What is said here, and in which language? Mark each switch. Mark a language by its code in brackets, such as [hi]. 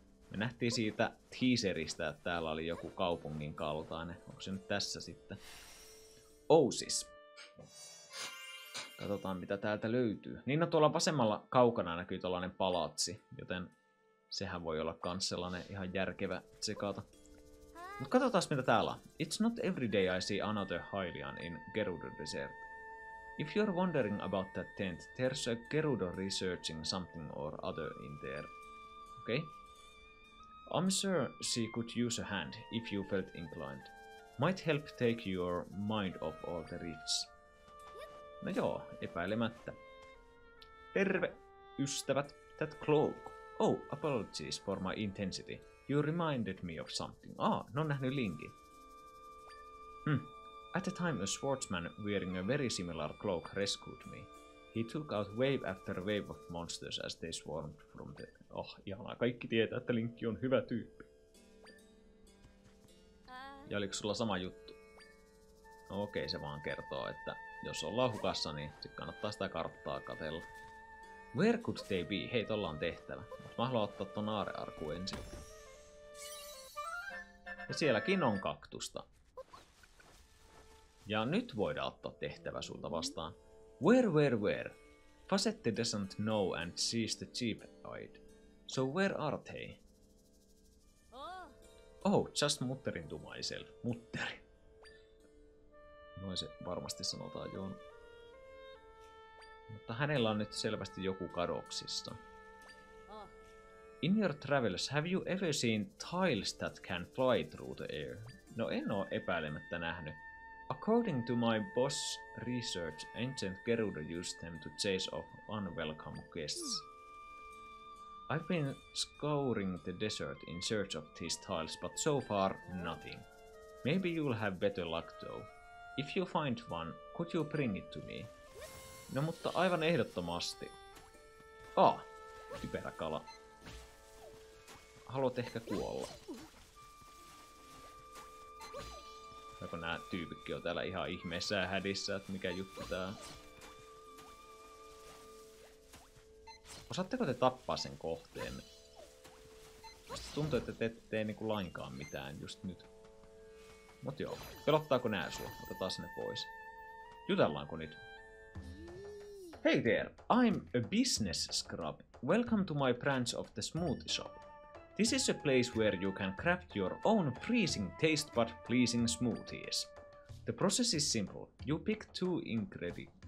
[fi] Me nähtiin siitä teaserista, että täällä oli joku kaupungin kaltainen. Onko se nyt tässä sitten? Ousis. Katsotaan, mitä täältä löytyy. Niin, no tuolla vasemmalla kaukana näkyy tuollainen palatsi, joten sehän voi olla kans sellainen ihan järkevä tsekata. Mut katsotaan, mitä täällä on. [en] It's not every day I see another Hylian in Gerudo Desert. If you're wondering about that tent, there's a Gerudo researching something or other in there. Okei. Okay. I'm sure she could use a hand, if you felt inclined. Might help take your mind off all the rifts. [fi] No joo, epäilemättä. Terve, ystävät. [en] That cloak. Oh, apologies for my intensity. You reminded me of something. [fi] Ah, no nähny linkin. [en] At the time a swordsman wearing a very similar cloak rescued me. He took out wave after wave of monsters as they swarmed from the... [fi] Oh, ihanaa. Kaikki tietää, että Linkki on hyvä tyyppi. Ja oliko sulla sama juttu? No okei, se vaan kertoo, että jos ollaan hukassa, niin sit kannattaa sitä karttaa katella. [en] Where could they be? [fi] Hei, tolla on tehtävä. Mut mä haluan ottaa ton aarearku ensin. Ja sielläkin on kaktusta. Ja nyt voidaan ottaa tehtävä sulta vastaan. [en] Where? Facette doesn't know and she's the chief guide. So where are they? Oh, just mutterin to myself. [fi] Mutteri. Noin se varmasti sanotaan, joo. Mutta hänellä on nyt selvästi joku kadoksissa. [en] In your travels, have you ever seen tiles that can fly through the air? [fi] No en oo epäilemättä nähnyt. [en] According to my boss research, ancient Gerudo used them to chase off unwelcome guests. I've been scouring the desert in search of these tiles, but so far, nothing. Maybe you'll have better luck, though. If you find one, could you bring it to me? [fi] No, mutta aivan ehdottomasti. Ah, typerä kala. Haluat ehkä kuolla. Joko nää tyypitkin on täällä ihan ihmeessä ja hädissä, että mikä juttu tää. Osaatteko te tappaa sen kohteen? Musta tuntuu, että te ette niinku lainkaan mitään just nyt. Mut joo, pelottaako nää sua? Otetaan ne pois. Jutellaanko nyt? [en] Hey there, I'm a business scrub. Welcome to my branch of the smoothie shop. This is a place where you can craft your own freezing taste but pleasing smoothies. The process is simple. You pick two ingredients.